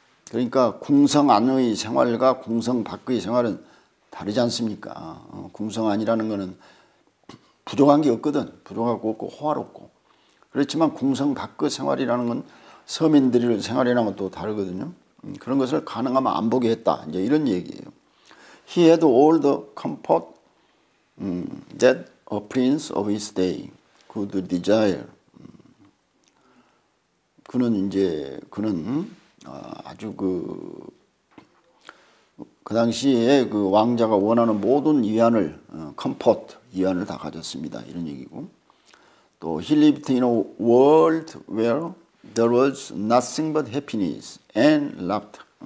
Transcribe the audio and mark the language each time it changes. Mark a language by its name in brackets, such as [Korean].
[Korean] 그러니까 궁성 안의 생활과 궁성 밖의 생활은 다르지 않습니까? 궁성 안이라는 것은 부족한 게 없거든. 부족하고 없고 호화롭고 그렇지만 궁성 밖의 생활이라는 건 서민들의 생활이라는 것도 다르거든요. 그런 것을 가능하면 안 보게 했다. 이제 이런 얘기예요. [English] He had all the comfort that a prince of his day could desire. [Korean] 그는 아주 그 당시에 그 왕자가 원하는 모든 위안을 comfort 위안을 다 가졌습니다. 이런 얘기고 또 [English] he lived in a world where There was nothing but happiness and laughter.